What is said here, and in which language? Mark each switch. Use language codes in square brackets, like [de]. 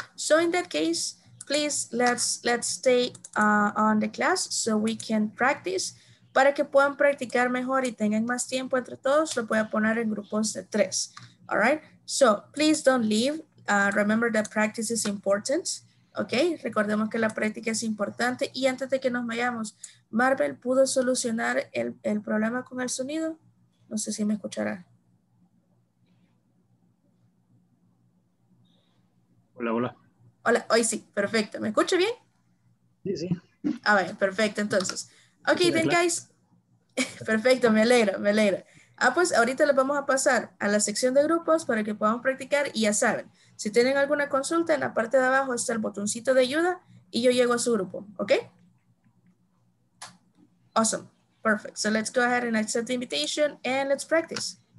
[en] So in that case, please let's stay on the class so we can practice. [es] Para que puedan practicar mejor y tengan más tiempo entre todos, lo voy a poner en grupos de tres. [en] All right. So, please don't leave. Remember that practice is important. Ok. [es] Recordemos que la práctica es importante. Y antes de que nos vayamos, Marvel, ¿pudo solucionar el problema con el sonido? No sé si me escuchará. Hola, hola. Hola, hoy sí. Perfecto. ¿Me escucha bien? Sí, sí. A ver, perfecto. Entonces... [en] Ok, then guys, [es] perfecto, me alegro, me alegro. Ah, pues ahorita les vamos a pasar a la sección de grupos para que podamos practicar y ya saben, si tienen alguna consulta, en la parte de abajo está el botoncito de ayuda y yo llego a su grupo, ¿ok? Awesome. [en] Perfect. So let's go ahead and accept the invitation and let's practice.